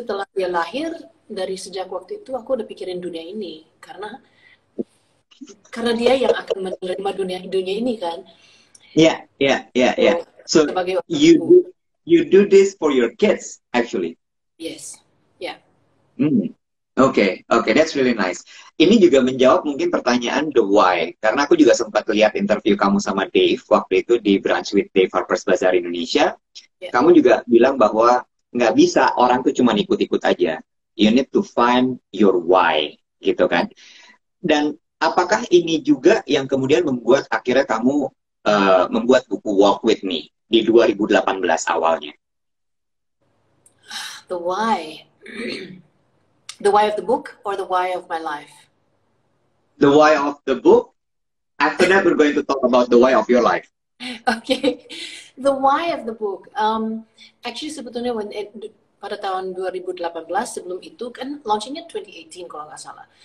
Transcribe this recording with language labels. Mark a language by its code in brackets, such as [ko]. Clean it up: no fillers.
[id] setelah dia lahir, dari sejak waktu itu aku udah pikirin dunia ini karena dia yang akan menerima dunia ini kan. [en] Yeah. So you do this for your kids actually. Yes. Yeah. Okay, that's really nice. [id] Ini juga menjawab mungkin pertanyaan the why. Karena aku juga sempat lihat interview kamu sama Dave waktu itu di Brunch with Dave Harper's Bazaar Indonesia. Yeah. Kamu juga bilang bahwa nggak bisa orang tuh cuma ikut-ikut aja. [en] You need to find your why, [id] gitu kan. Dan apakah ini juga yang kemudian membuat akhirnya kamu membuat buku Walk With Me di 2018 awalnya? [en] The why. The why of the book or the why of my life? The why of the book. After that, we're going to talk about the why of your life. Okay. The why of the book. [id] Actually, sebetulnya pada tahun 2018, sebelum itu, kan launchingnya 2018 kalau nggak salah.